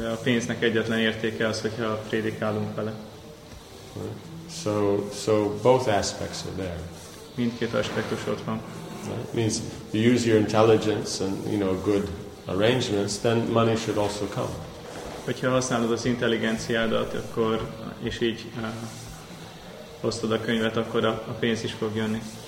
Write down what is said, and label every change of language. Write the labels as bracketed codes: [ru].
[hu] De a pénznek egyetlen értéke az, hogyha prédikálunk vele. [en] So both aspects are there. [hu] Mindkét aspektus ott van. [en] Right? Means you use your intelligence and, you know, good arrangements, then money should also come. [hu] Hogyha használod az intelligenciádat, akkor és így osztod a könyvet, akkor a pénz is fog jönni.